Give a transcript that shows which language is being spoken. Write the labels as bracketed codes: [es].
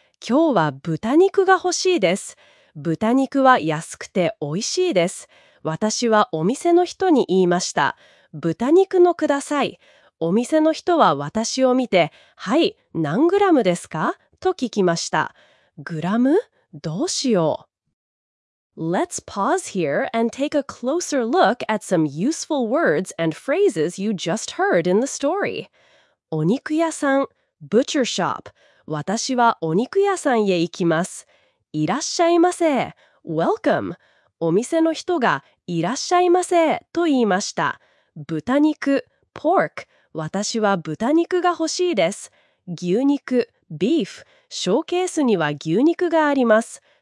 [ja] 今日は豚肉が欲しいです。豚肉は安くて美味しいです。私はお店の人に言いました。豚肉のください。お店の人は私を見て、はい、何グラムですか？と聞きました。グラム？どうしよう。 [en] Let's pause here and take a closer look at some useful words and phrases you just heard in the story. [ja] お肉屋さん、 [en] butcher shop。 [ja] 私はお肉屋さんへ行きます。いらっしゃいませ。Welcome。お店の人が、いらっしゃいませ。と言いました。豚肉、pork。私は豚肉が欲しいです。牛肉、ビーフ、ショーケースには牛肉があります。